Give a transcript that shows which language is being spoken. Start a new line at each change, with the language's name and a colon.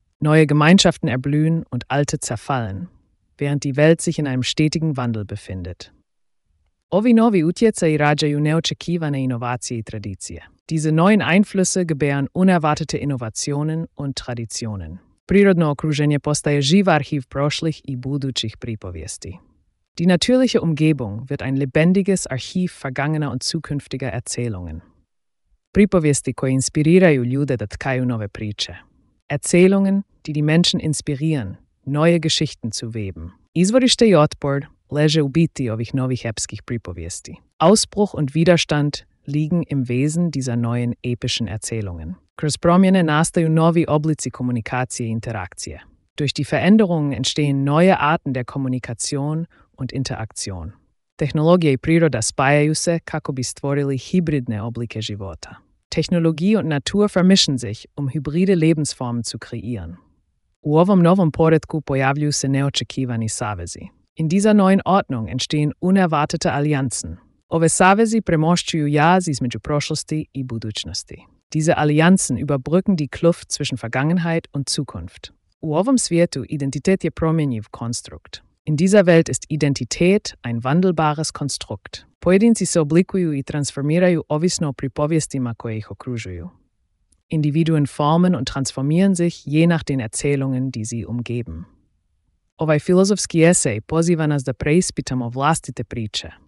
German: Neue Gemeinschaften erblühen und alte zerfallen, während die Welt sich in einem stetigen Wandel befindet.
Croatian: Ovi novi utjecaji rađaju neočekivane inovacije i tradicije.
German: Diese neuen Einflüsse gebären unerwartete Innovationen und Traditionen.
Croatian: Prirodno okruženje postaje živ arhiv prošlih i budućih pripovijesti.
German: Die natürliche Umgebung wird ein lebendiges Archiv vergangener und zukünftiger Erzählungen.
Croatian: Pripovijesti koje inspiriraju ljude da tkaju nove priče.
German: Erzählungen, die die Menschen inspirieren, neue Geschichten zu weben.
Croatian: Izvorište i otpor leže u biti ovih novih epskih pripovijesti.
German: Ausbruch und Widerstand liegen im Wesen dieser neuen epischen Erzählungen.
Croatian: Kroz promjene nastaju novi oblici komunikacije i interakcije.
German: Durch die Veränderungen entstehen neue Arten der Kommunikation und Interaktion.
Croatian: Tehnologija i priroda spajaju se kako bi stvorili hibridne oblike života.
German: Technologie und Natur vermischen sich, um hybride Lebensformen zu kreieren.
Croatian: U ovom novom poretku pojavljuju se neočekivani savezi.
German: In dieser neuen Ordnung entstehen unerwartete Allianzen.
Croatian: Ove savezi premošćuju jaz između prošlosti i budućnosti.
German: Diese Allianzen überbrücken die Kluft zwischen Vergangenheit und Zukunft.
Croatian: U ovom svijetu identitet je promjenjiv konstrukt.
German: In dieser Welt ist Identität ein wandelbares Konstrukt.
Croatian: Pojedinci se oblikuju i transformiraju ovisno o pripovijestima koje ih okružuju.
German: Individuen formen und transformieren sich je nach den Erzählungen, die sie umgeben.
Croatian: Ovaj filozofski esej poziva nas da preispitamo vlastite priče.